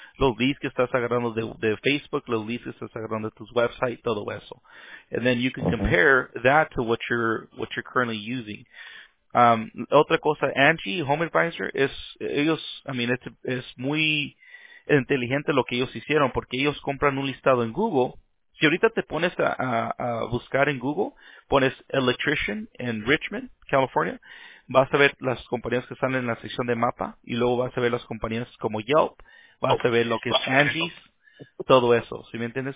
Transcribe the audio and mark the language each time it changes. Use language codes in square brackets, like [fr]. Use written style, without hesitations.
[es] Los leads que estás agarrando de Facebook, los leads que estás agarrando de tus websites, todo eso. [en] And then you can compare that to what you're currently using. [es] Otra cosa, Angie, Home Advisor, es muy inteligente lo que ellos hicieron porque ellos compran un listado en Google. Si ahorita te pones a buscar en Google, pones electrician en Richmond, California, vas a ver las compañías que están en la sección de mapa y luego vas a ver las compañías como Yelp, vas a ver lo que es Angie's, todo eso, ¿sí me entiendes?